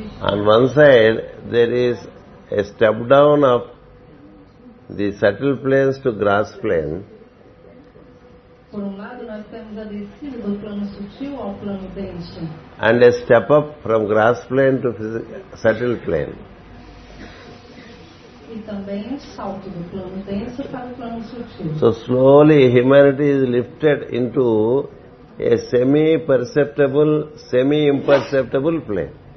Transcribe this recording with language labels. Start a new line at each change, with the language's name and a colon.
English: On one side, there is a step down of the subtle planes to grass plane.
Portuguese: Por lado, nós temos a descida do plano sutil ao plano denso.
English: And a step up from grass plane to subtle plane.
Portuguese: E também um salto do plano denso para o plano sutil.
English: So slowly humanity is lifted into a semi-perceptible, semi-imperceptible plane.